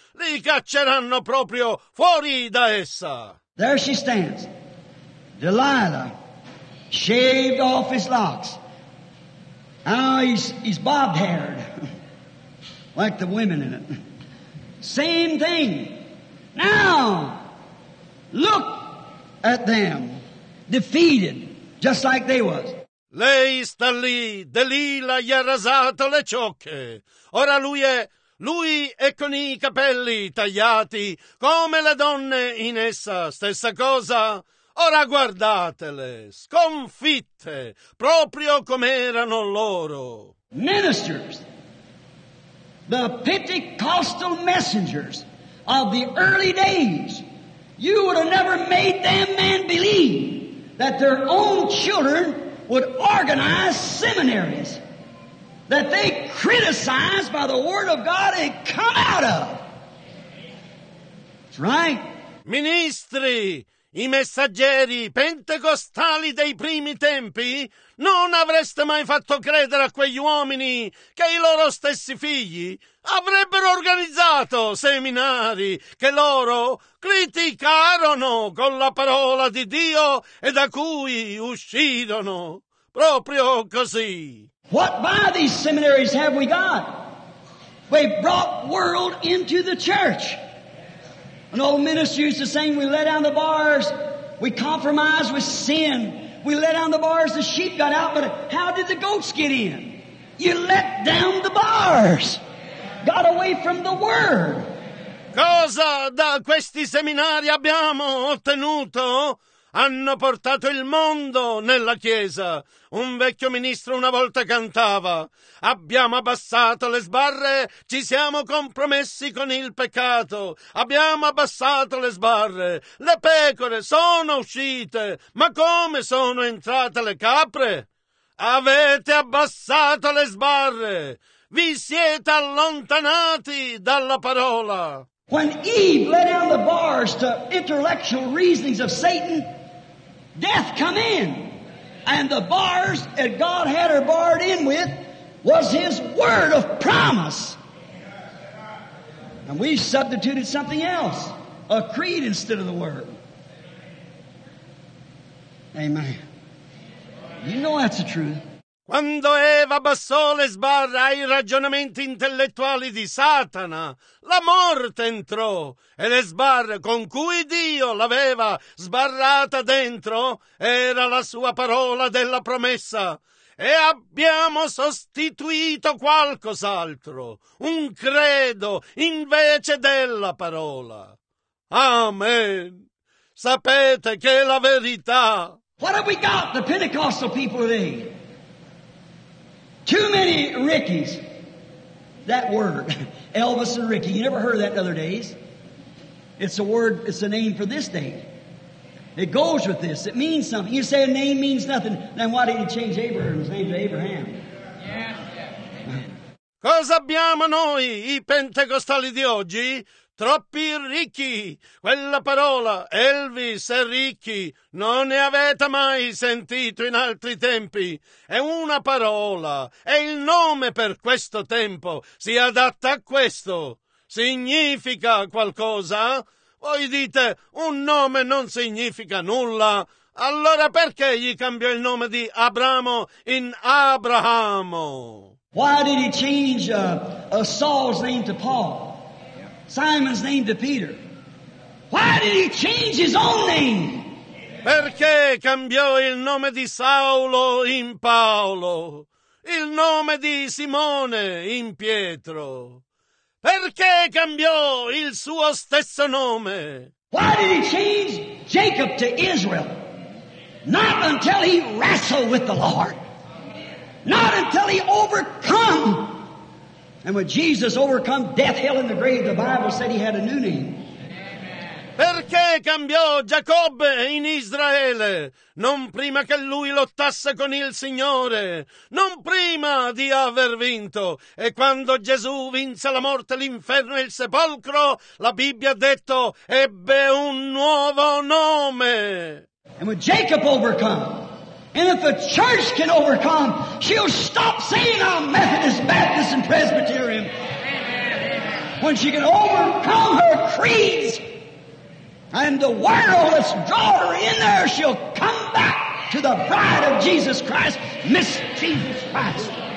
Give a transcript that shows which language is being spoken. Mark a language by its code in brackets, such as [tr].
[it] Li cacceranno proprio fuori da essa. [en] There she stands. Delilah shaved off his locks. Now he's bob-haired. Like the women in it. Same thing. Now look at them. Defeated. Just like they was. [it] Lei sta lì, Delilah gli ha rasato le ciocche. Ora lui è con i capelli tagliati, come le donne in essa, stessa cosa. Ora guardatele, sconfitte, proprio come erano loro. [en] Ministers, the Pentecostal messengers of the early days, you would have never made them man believe that their own children would organize seminaries that they criticized by the word of God and come out of. That's right. [it] Ministri, i messaggeri pentecostali dei primi tempi, non avreste mai fatto credere a quegli uomini che i loro stessi figli avrebbero organizzato seminari che loro criticarono con la parola di Dio e da cui uscirono. Proprio così. [en] What by these seminaries have we got? We brought world into the church. An old minister used to say, we let down the bars, we compromised with sin. We let down the bars, the sheep got out, but how did the goats get in? You let down the bars. Got away from the word. [it] Cosa da questi seminari abbiamo ottenuto? Hanno portato il mondo nella chiesa. Un vecchio ministro una volta cantava, abbiamo abbassato le sbarre, ci siamo compromessi con il peccato. Abbiamo abbassato le sbarre, le pecore sono uscite, ma come sono entrate le capre? Avete abbassato le sbarre, vi siete allontanati dalla parola. [en] When Eve let down the bars to intellectual reasonings of Satan, death come in, and the bars that God had her barred in with was his word of promise. And we substituted something else, a creed instead of the word. Amen. You know that's the truth. [it] Quando Eva abbassò le sbarre ai ragionamenti intellettuali di Satana, la morte entrò, e le sbarre con cui Dio l'aveva sbarrata dentro era la sua parola della promessa. e abbiamo sostituito qualcos'altro, un credo invece della parola. Amen. Sapete che la verità... [en] What have we got, the Pentecostal people today? Too many Rickies. That word, Elvis and Ricky, you never heard of that in other days. It's a word, it's a name for this day. It goes with this. It means something. You say a name means nothing, then why did he change Abraham's name to Abraham? Yeah. [it] Cosa abbiamo noi, i pentecostali di oggi? Troppi ricchi. Quella parola, Elvis e ricchi, non ne avete mai sentito in altri tempi. È una parola, è il nome per questo tempo. Si adatta a questo. Significa qualcosa? Voi dite, un nome non significa nulla. Allora perché gli cambiò il nome di Abramo in Abrahamo? [en] Why did he change Saul's name to Paul? Simon's name to Peter? Why did he change his own name? [it] Perché cambiò il nome di Saulo in Paolo? Il nome di Simone in Pietro? Perché cambiò il suo stesso nome? [en] Why did he change Jacob to Israel? Not until he wrestled with the Lord. Not until he overcome. And when Jesus overcome death, hell, and the grave, the Bible said he had a new name. [it] Perché cambiò Giacobbe in Israele? Non prima che lui lottasse con il Signore, non prima di aver vinto. E quando Gesù vinse la morte, l'inferno e il sepolcro, la Bibbia ha detto, ebbe un nuovo nome. [en] And when Jacob overcome, and if the church can overcome, she'll stop saying I'm Methodist, Baptist, and Presbyterian. When she can overcome her creeds, and the wireless draw her in there, she'll come back to the bride of Jesus Christ, Miss Jesus Christ.